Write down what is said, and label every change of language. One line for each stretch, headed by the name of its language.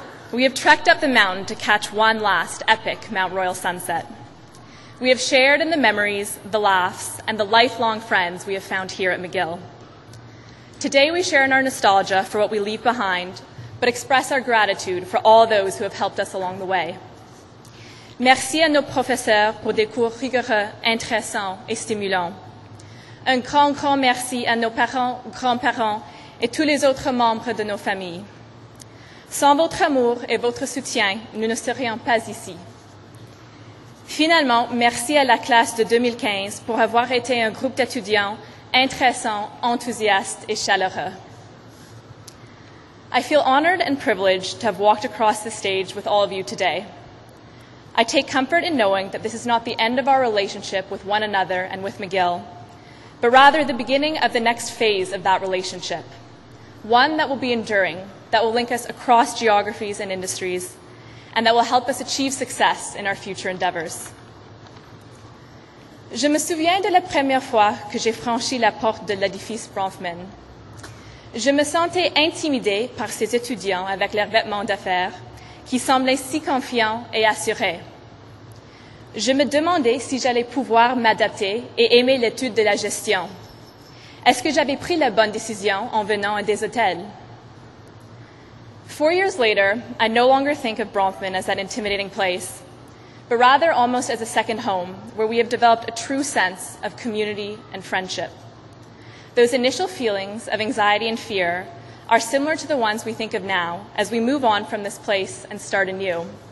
English: We have trekked up the mountain to catch one last epic Mount Royal sunset. We have shared in the memories, the laughs, and the lifelong friends we have found here at McGill. Today we share in our nostalgia for what we leave behind, but express our gratitude for all those who have helped us along the way.
French: Merci à nos professeurs pour des cours rigoureux, intéressants et stimulants. un grand, grand merci à nos parents, grands-parents et tous les autres membres de nos familles. Sans votre amour et votre soutien, nous ne serions pas ici. Finalement, merci à la classe de 2015 pour avoir été un groupe d'étudiants intéressants, enthousiastes et chaleureux.
English: I feel honored and privileged to have walked across the stage with all of you today. I take comfort in knowing that this is not the end of our relationship with one another and with McGill, but rather the beginning of the next phase of that relationship, one that will be enduring, that will link us across geographies and industries, and that will help us achieve success in our future endeavors.
French: Je me souviens de la première fois que j'ai franchi la porte de l'édifice Bronfman. Je me sentais intimidée par ces étudiants avec leurs vêtements d'affaires, qui semblaient si confiants et assurés. Je me demandais si j'allais pouvoir m'adapter et aimer l'étude de la gestion. Est-ce que j'avais pris la bonne décision en venant à des hôtels?
English: 4 years later, I no longer think of Bronfman as that intimidating place, but rather almost as a second home, where we have developed a true sense of community and friendship. Those initial feelings of anxiety and fear are similar to the ones we think of now as we move on from this place and start anew.